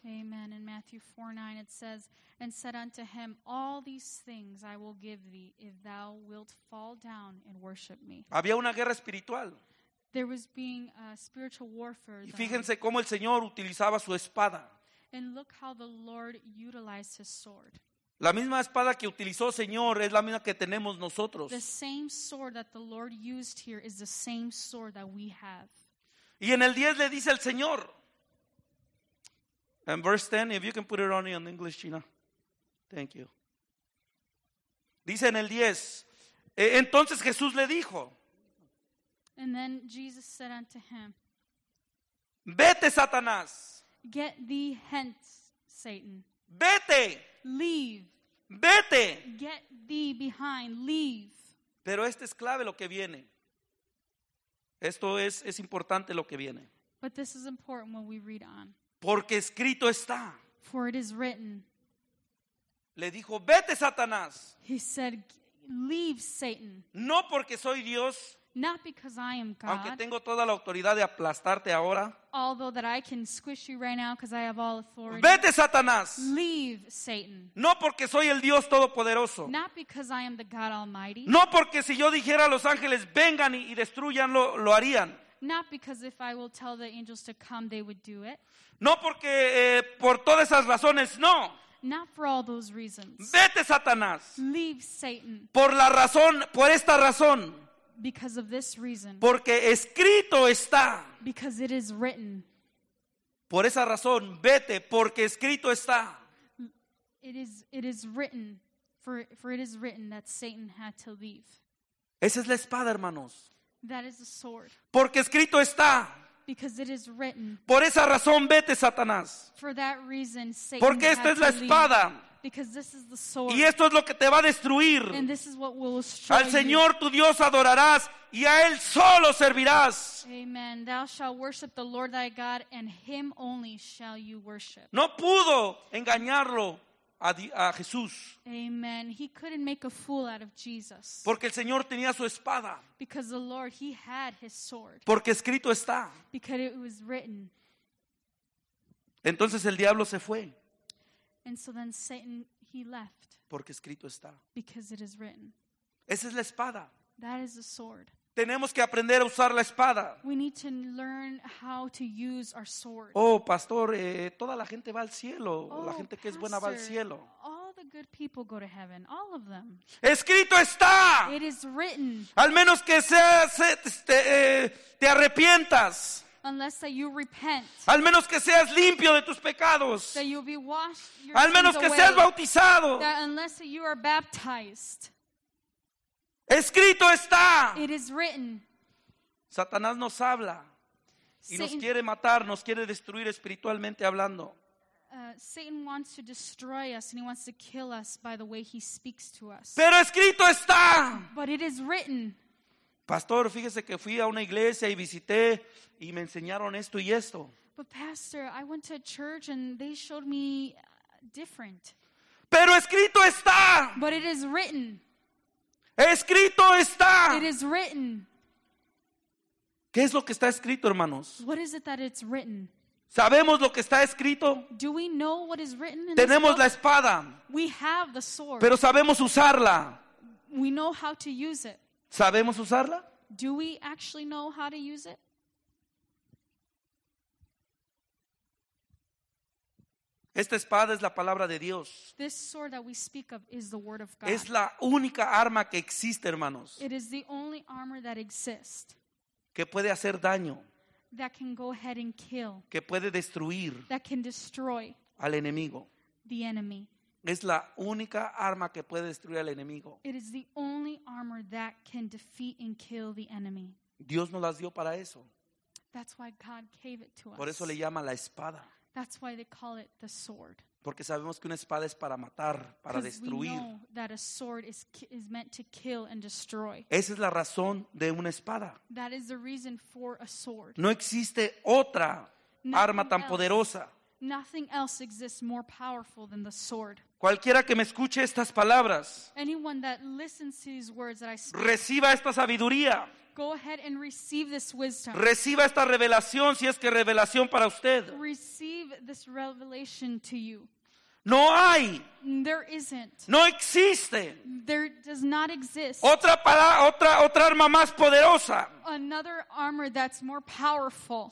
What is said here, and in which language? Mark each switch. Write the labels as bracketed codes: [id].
[en] Amen. In Matthew 4:9 it says, and said unto him, all these things I will give thee if thou wilt fall down and worship me. [es] Había una guerra espiritual. [en] There was being a spiritual warfare. [es] Y fíjense cómo el Señor utilizaba su espada. [en] And look how the Lord utilized his sword. [es] La misma espada que utilizó el Señor es la misma que tenemos nosotros. [en] The same sword that the Lord used here is the same sword that we have. [es] Y en el 10 le dice el Señor. [en] And verse 10, if you can put it on in English, Gina. Thank you. [es] Dice en el 10. Entonces Jesús le dijo. [en] And then Jesus said unto him. [es] Vete, Satanás. [en] Get thee hence, Satan. [es] Vete. [en] Leave. [es] Vete. [en] Get thee behind. Leave. [es] Pero esto es clave lo que viene. Esto es importante lo que viene. [en] But this is important when we read on. [es] Porque escrito está. [en] For it is written. [es] Le dijo, vete, Satanás. [en] He said, leave, Satan. [es] No porque soy Dios. [en] Not because I am God. [es] Aunque tengo toda la autoridad de aplastarte ahora. [en] Although that I can squish you right now because I have all authority. [es] Vete, Satanás. [en] Leave, Satan. [es] No porque soy el Dios todopoderoso. [en] Not because I am the God Almighty. [es] No porque si yo dijera a los ángeles vengan y destruyanlo, lo harían. [en] Not because if I will tell the angels to come, they would do it. [es] No porque por todas esas razones, no. [en] Not for all those reasons. [es] Vete, Satanás. [en] Leave, Satan. [es] Por la razón, por esta razón. [en] Because of this reason. [es] Porque escrito está. [en] Because it is written. [es] Por esa razón, vete, porque escrito está. [en] It is written, for it is written that Satan had to leave. [es] Esa es la espada, hermanos. [en] That is the sword. [es] Porque escrito está. [en] Because it is written. [es] Por esa razón, vete, Satanás. [en] For that reason, Satan had to leave. [es] Porque esta es la espada. [en] Because this is the sword. [es] Y esto es lo que te va a destruir. [en] And this is what will destroy [es] you. Al Señor tu Dios adorarás y a Él solo servirás. [en] Amen. Thou shalt worship the Lord thy God and Him only shall you worship. [es] No pudo engañarlo a Jesús. [en] Amen. He couldn't make a fool out of Jesus. [es] Porque el Señor tenía su espada. [en] Because the Lord, He had His sword. [es] Porque escrito está. [en] Because it was written. [es] Entonces el diablo se fue. [en] And so then Satan, he left. [es] Porque escrito está. [en] Because it is written. [es] Esa es la espada. [en] That is the sword. [es] Tenemos que aprender a usar la espada. [en] We need to learn how to use our sword. [es] Oh, pastor, toda la gente va al cielo. Oh, la gente pastor, que es buena va al cielo. [en] All the good people go to heaven. All of them. [es] Escrito está. [en] It is written. [es] Al menos que seas, te arrepientas. [en] Unless that you repent. [es] Al menos que seas limpio de tus pecados. [en] That you be washed your [es] Al menos que [en] away. [es] Seas bautizado. [en] That unless you are baptized. [es] Escrito está. [en] It is written. [es] Satanás nos habla. Satan, y nos quiere matar, nos quiere destruir espiritualmente hablando. [en] Satan wants to destroy us and he wants to kill us by the way he speaks to us. [es] Pero escrito está. [en] But it is written. [es] Pastor, fíjese que fui a una iglesia y visité y me enseñaron esto y esto. [en] But pastor, I went to a church and they showed me different. [es] Pero escrito está. [en] But it is written. [es] Escrito está. [en] It is written. [es] ¿Qué es lo que está escrito, hermanos? [en] What is it that it's written? [es] ¿Sabemos lo que está escrito? [en] Do we know what is written in [es] Tenemos [en] this [es] la espada. [en] We have the sword. [es] Pero sabemos usarla. [en] We know how to use it. [es] ¿Sabemos usarla? [en] Do we actually know how to use it? [es] Esta espada es la palabra de Dios. [en] This sword that we speak of is the word of God. [es] Es la única arma que existe, hermanos. [en] It is the only armor that exists. [es] Que puede hacer daño. [en] That can go ahead and kill. [es] Que puede destruir. [en] That can destroy. [es] Al enemigo. [en] The enemy. [es] Es la única arma que puede destruir al enemigo. [en] It is the only armor that can defeat and kill the enemy. [es] Dios nos las dio para eso. [en] That's why God gave it to us. [es] Por eso le llama la espada. [en] That's why they call it the sword. [es] Porque sabemos que una espada es para matar, para destruir. [en] Because we know that a sword is meant to kill and destroy. [es] Esa es la razón de una espada. [en] That is the reason for a sword. [es] No existe otra arma tan poderosa. [en] Nothing else exists more powerful than the sword. [es] Cualquiera que me escuche estas palabras, [en] anyone that listens to these words that I speak, [es] reciba esta sabiduría. [en] Go ahead and receive this wisdom. [es] Reciba esta revelación, si es que revelación para usted. [en] Receive this revelation to you. [es] No hay. [en] There isn't. [es] No existe. [en] There does not exist. [es] Otra arma más poderosa. [en] Another armor that's more powerful.